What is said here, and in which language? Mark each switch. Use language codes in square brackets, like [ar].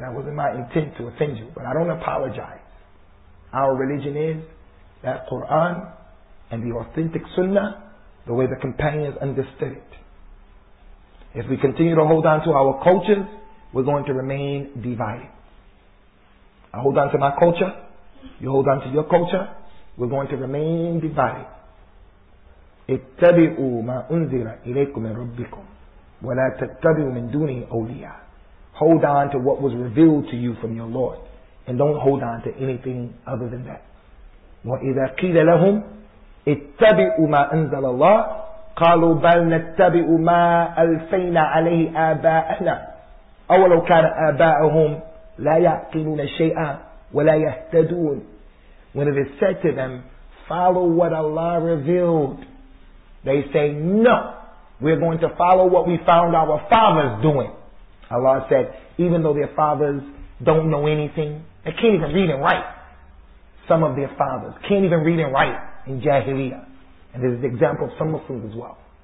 [en] That wasn't my intent to offend you. But I don't apologize. Our religion is that Quran and the authentic sunnah, the way the companions understood it. If we continue to hold on to our cultures, we're going to remain divided. I hold on to my culture, you hold on to your culture, we're going to remain divided. [ar] اتبعوا ما أنزل إليكم من ربكم ولا تتبعوا من دونه أولياء. [en] Hold on to what was revealed to you from your Lord, and don't hold on to anything other than that. [ar] وإذا قيل لهم اتبعوا ما أنزل الله قالوا بل نتبع ما ألفينا عليه آباءنا أولو كان آباءهم لا يعقلون شيئا ولا يهتدون. [en] When it is said to them, follow what Allah revealed, they say, no, we're going to follow what we found our fathers doing. Allah said, even though their fathers don't know anything, they can't even read and write. Some of their fathers can't even read and write in Jahiliyyah. And this is the example of some Muslims as well.